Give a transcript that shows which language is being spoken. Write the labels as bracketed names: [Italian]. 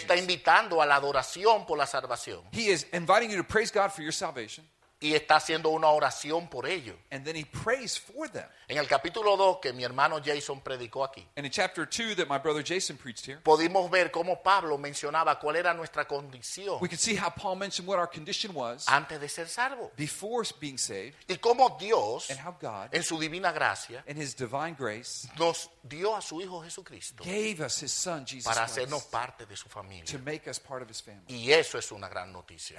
[Spanish] él está invitando a la adoración por la salvación. [English] He is inviting you to praise God for your salvation. [Spanish] Y está haciendo una oración por ello. [English] And then he prays for them. [Spanish] En el capítulo 2 que mi hermano Jason predicó aquí. [English] And in chapter 2 that my brother Jason preached here. [Spanish] Pudimos ver cómo Pablo mencionaba cuál era nuestra condición. [English] We could see how Paul mentioned what our condition was. [Spanish] Antes de ser salvo. [English] Before being saved. [Spanish] Y cómo Dios. [English] And how God. [Spanish] En su divina gracia. [English] In his divine grace. [Spanish] Nos dio a su hijo Jesucristo. [English] Gave us his son Jesus. [Spanish] Para hacernos parte de su familia. [English] To make us part of his family. [Spanish] Y eso es una gran noticia.